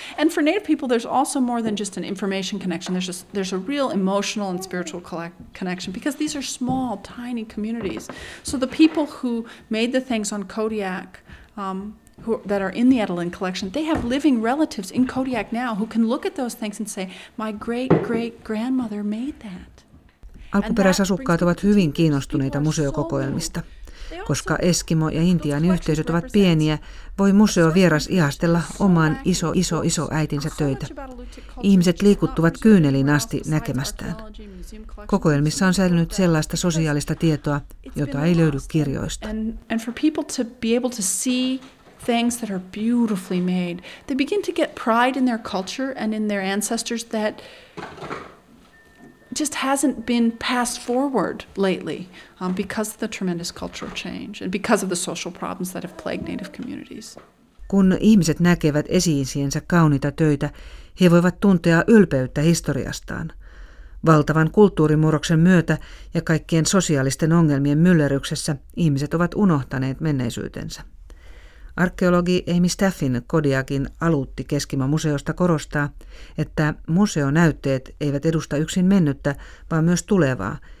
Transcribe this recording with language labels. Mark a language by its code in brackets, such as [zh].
[en] And for Native people there's also more than just an information connection. There's a real emotional and spiritual connection because these are small, tiny communities. So the people who made the things on Kodiak that are in the Edelman collection, they have living relatives in Kodiak now who can look at those things and say, my great-great-grandmother made that. [fi] Alkuperäisasukkaat ovat hyvin kiinnostuneita museokokoelmista. Koska Eskimo- ja Intiaani-yhteisöt ovat pieniä, voi museovieras ihastella oman iso-iso-iso-äitinsä töitä. Ihmiset liikuttuvat kyyneliin asti näkemästään. Kokoelmissa on säilynyt sellaista sosiaalista tietoa, jota ei löydy kirjoista. [en] And for people to be able to see things that are beautifully made, they begin to get pride in their culture and in their ancestors that just hasn't been passed forward lately because of the tremendous cultural change and because of the social problems that have plagued Native communities. [fi] Kun ihmiset näkevät esi-isiensä kauniita töitä, he voivat tuntea ylpeyttä historiastaan. Valtavan kulttuurimurroksen myötä ja kaikkien sosiaalisten ongelmien myllerryksessä ihmiset ovat unohtaneet menneisyytensä. Arkeologi Amy Steffin Kodiakin Aluutti Keskimo-museosta korostaa, että museonäytteet eivät edusta yksin mennyttä, vaan myös tulevaa,